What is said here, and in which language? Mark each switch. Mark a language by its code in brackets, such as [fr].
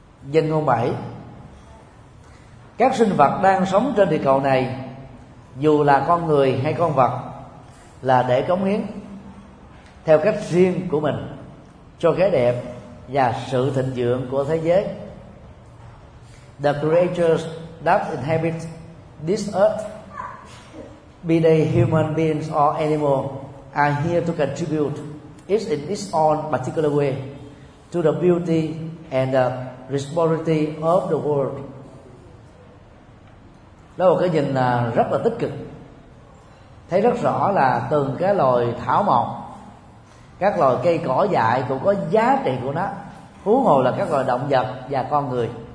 [vi] Dân ngôn 7: các sinh vật đang sống trên địa cầu này, dù là con người hay con vật, là để cống hiến theo cách riêng của mình cho cái đẹp và sự thịnh vượng của thế giới. [en] The creatures that inhabit this earth, be they human beings or animals, are here to contribute each in its own particular way to the beauty and the responsibility of the world. [vi] Đó là cái nhìn rất là tích cực. Thấy rất rõ là từng cái loài thảo mộc, các loài cây cỏ dại cũng có giá trị của nó, huống hồ là các loài động vật và con người.